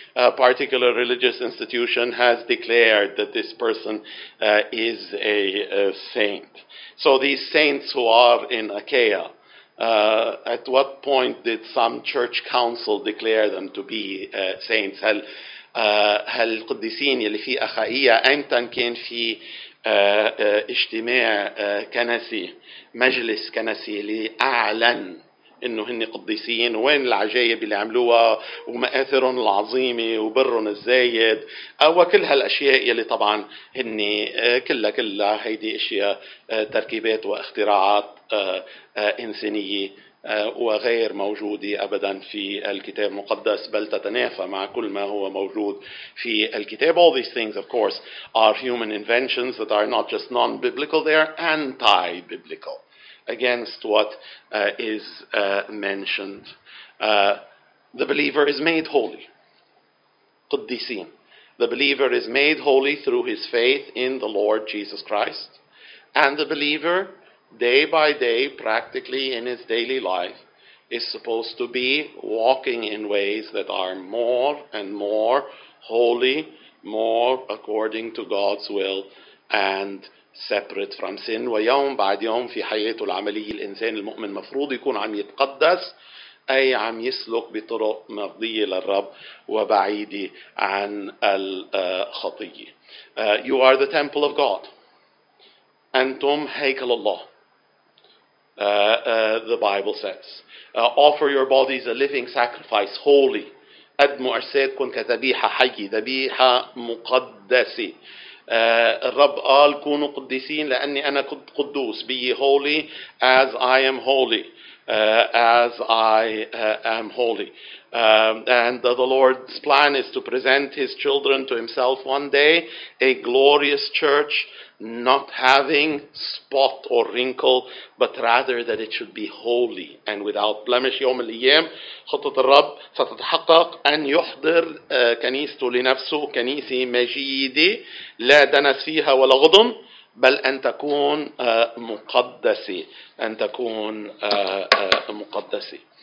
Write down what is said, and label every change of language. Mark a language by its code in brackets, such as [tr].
[en] A particular religious institution has declared that this person is a saint. So these saints who are in Achaia, at what point did some church council declare them to be saints? [ar] هل القديسين يلي في أخائية أمتى كان في اجتماع كنسي مجلس كنسي اللي أعلن إنه هن قديسين وين العجائب اللي عملوها ومآثرهم العظيمة وبرهم الزايد أو كل هالأشياء يلي طبعا هن كلها هيدي أشياء تركيبات واختراعات إنسانية وغير موجودة أبدا في الكتاب المقدس بل تتنافى مع كل ما هو موجود في الكتاب. [en] All these things of course are human inventions that are not just non-biblical, they are anti-biblical, against what is mentioned. The believer is made holy. [ar] قديسين. [en] The believer is made holy through his faith in the Lord Jesus Christ. And the believer, day by day, practically in his daily life, is supposed to be walking in ways that are more and more holy, more according to God's will, and separate from sin. [ar] ويوم بعد يوم في حياته العملية الإنسان المؤمن مفروض يكون عم يتقدس أي عم يسلك بطرق مرضية للرب وبعيدة عن الخطية. [en] You are the temple of God. [ar] أنتم هيكل الله. [en] The Bible says. Offer your bodies a living sacrifice, holy. [ar] أدموا أجسادكم كذبيحة حية ذبيحة مقدسة. الرب قال كونوا قديسين لأني أنا قدوس. [en] Be holy as I am holy. And the Lord's plan is to present his children to himself one day, a glorious church, not having spot or wrinkle, but rather that it should be holy and without blemish. [ar] يوم الأيام خطة الرب ستتحقق أن يحضر كنيسته لنفسه كنيسة مجيدة لا دنس فيها ولا غضن بل أن تكون مقدسة أن تكون مقدسة.